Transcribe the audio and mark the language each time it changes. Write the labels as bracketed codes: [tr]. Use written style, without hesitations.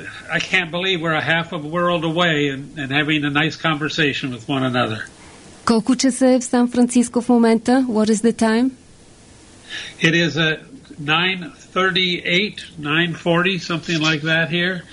[en] I can't believe we're a half of a world away and having a nice conversation with one another. [bg] Колко часа е в Сан-Франциско в момента? [en] What is the time? It is a 9:38, 9:40, something like that here.